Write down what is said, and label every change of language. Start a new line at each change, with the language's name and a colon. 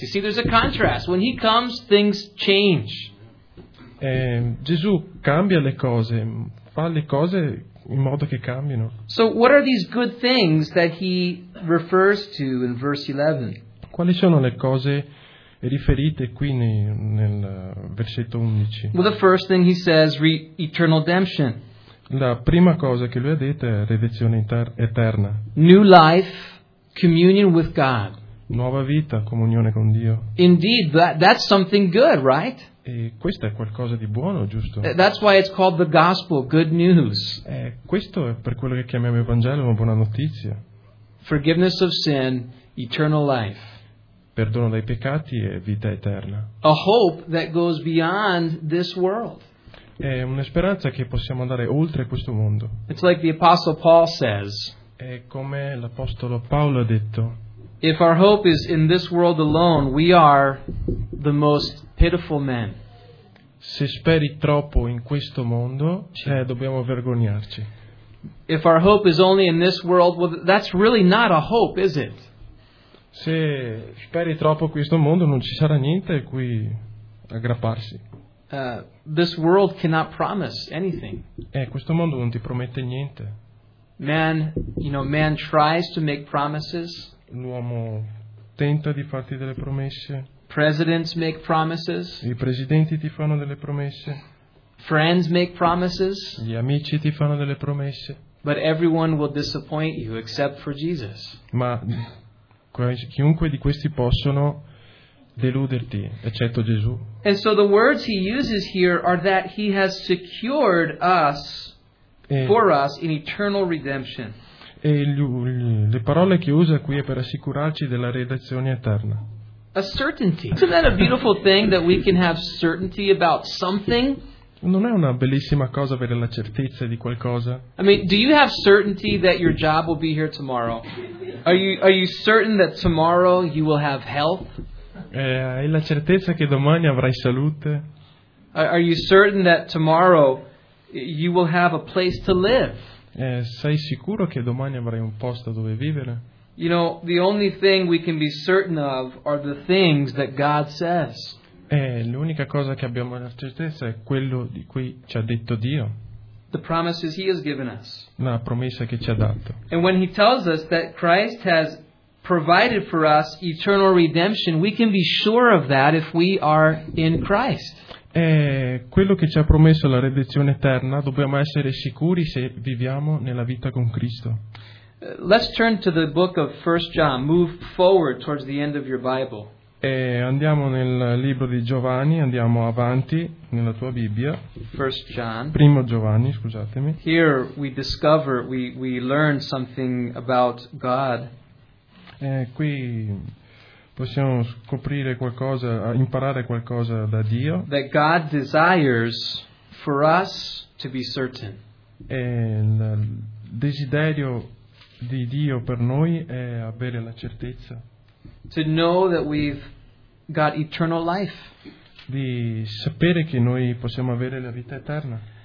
English: You see, there's a contrast. When he comes, things change.
Italian: Gesù cambia le cose, fa le cose in modo che cambino.
English: So what are these good things that he refers to in verse 11?
Italian: Quali sono le cose riferite qui nel versetto 11?
English: Well, the first thing he says, eternal redemption.
Italian: La prima cosa che lui ha detto è redenzione eterna.
English: New life, communion with God.
Italian: Nuova vita, comunione con Dio.
English: Indeed, that's something good, right?
Italian: E questo è qualcosa di buono, giusto?
English: That's why it's called the gospel, good news.
Italian: Questo è per quello che chiamiamo evangelio, una buona notizia.
English: Forgiveness of sin, eternal life.
Italian: Perdono dei peccati e vita eterna.
English: A hope that goes beyond this world.
Italian: È una speranza che possiamo andare oltre questo mondo.
English: It's like the apostle Paul says.
Italian: È come l'apostolo Paolo ha detto.
English: If our hope is in this world alone, we are the most pitiful men.
Italian: Se speri troppo in questo mondo, dobbiamo vergognarci.
English: If our hope is only in this world, well, that's really not a hope, is it?
Italian: Se speri troppo in questo mondo, non ci sarà niente a cui aggrapparsi.
English: This world cannot promise anything.
Italian: Questo mondo non ti promette niente.
English: Man, you know, man tries to make promises.
Italian: L'uomo tenta di farti delle promesse.
English: Presidents make promises.
Italian: I presidenti ti fanno delle promesse.
English: Friends make promises.
Italian: Gli amici ti fanno delle promesse.
English: But everyone will disappoint you except for Jesus.
Italian: Ma chiunque di questi possono deluderti, eccetto Gesù.
English: And so the words he uses here are that he has secured us for us in eternal redemption.
Italian: E le parole che usa qui è per assicurarci della redenzione eterna.
English: A certainty. Isn't that a beautiful thing that we can have certainty about something?
Italian: Non è una bellissima cosa avere la certezza di qualcosa?
English: I mean, do you have certainty that your job will be here tomorrow? Are you certain that tomorrow you will have health?
Italian: Hai la certezza che domani avrai salute?
English: Are you certain that tomorrow you will have a place to live?
Italian: Sei sicuro che domani avrai un posto dove vivere?
English: You know, the only thing we can be certain of are the things that God says.
Italian: L'unica cosa che abbiamo la certezza è quello di cui ci ha detto Dio.
English: The promises he has given us.
Italian: La promessa che ci ha dato.
English: And when he tells us that Christ has provided for us eternal redemption, we can be sure of that if we are in Christ.
Italian: Quello che ci ha promesso la redenzione eterna, dobbiamo essere sicuri se viviamo nella vita con Cristo.
English: Let's turn to the book of 1 John. Move forward towards the end of your Bible.
Italian: Andiamo nel libro di Giovanni, andiamo avanti nella tua Bibbia.
English: 1 John.
Italian: Primo Giovanni, scusatemi.
English: Here we discover, we learn something about God.
Italian: Qui possiamo scoprire qualcosa, imparare qualcosa da Dio.
English: That God desires for us to be certain.
Italian: Il desiderio di Dio per noi è avere la certezza.
English: To know that we've got eternal life.
Italian: Di sapere che noi possiamo avere la vita eterna.